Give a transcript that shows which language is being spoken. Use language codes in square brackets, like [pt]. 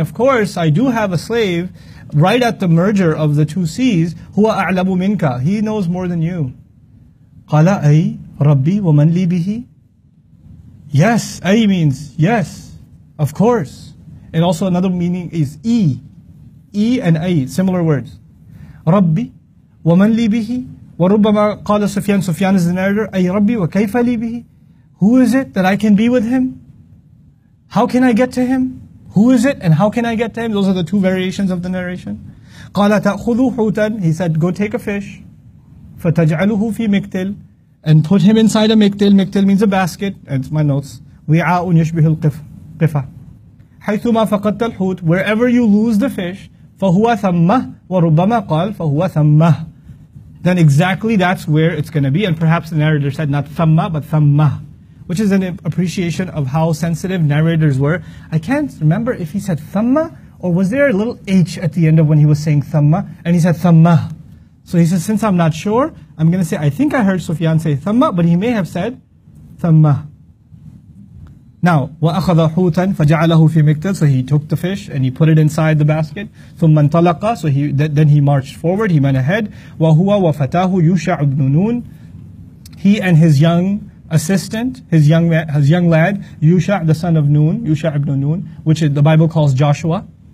[en] Of course, I do have a slave right at the merger of the two seas, [ar] هُوَ أَعْلَمُ مِنْكَ. [en] He knows more than you. [ar] قَالَ أَيْ رَبِّي وَمَنْ لِي بِهِ. [en] Yes, أَيْ means yes, of course. And also another meaning is E and A, similar words. [ar] Rabbi, وَمَنْ لِي بِهِ وَرُبَّمَا قَالَ سُفْيَانَ. [en] Sufyan is the narrator. [ar] أَيْ رَبِّي وَكَيْفَ لِي بِهِ. [en] Who is it that I can be with him? How can I get to him? Who is it and how can I get to him? Those are the two variations of the narration. [ar] قَالَ تَأْخُذُ حُوتًا. [en] He said, go take a fish. [ar] فَتَجْعَلُهُ فِي مِكْتِلْ. [en] And put him inside a miktil. Miktil means a basket. And it's my notes. [ar] وِعَاءٌ يَشْبِهِ الْقِفَةِ. حَيْثُمَا فَقَدْتَ الْحُوتِ. [en] Wherever you lose the fish, [ar] فَهُوَ ثَمَّهُ وَرُبَّمَا قَالْ فَهُوَ ثَمَّهُ. [en] Then exactly that's where it's going to be. And perhaps the narrator said not ثَمَّهُ but ثَمَّهُ. Which is an appreciation of how sensitive narrators were. I can't remember if he said ثَمَّهُ or was there a little H at the end of when he was saying ثَمَّهُ. And he said ثَمَّهُ. So he says, since I'm not sure, I'm going to say, I think I heard Sufyan say ثَمَّهُ, but he may have said ثَمَّهُ. [ar] Now, وَأَخَذَ حُوتًا فَجَعَلَهُ فِي مِكْتَلٍ. [en] So he took the fish and he put it inside the basket. [ar] ثُمَّ انْطَلَقَ. [en] So then he marched forward, he went ahead. [ar] وَهُوَ وَفَتَاهُ يُوشَعُ بْنُ نُونَ. [en] He and his young assistant, his young lad, يُوشَعُ, the son of Noon, يُوشَعُ بْنُ نُونَ, which the Bible calls Joshua.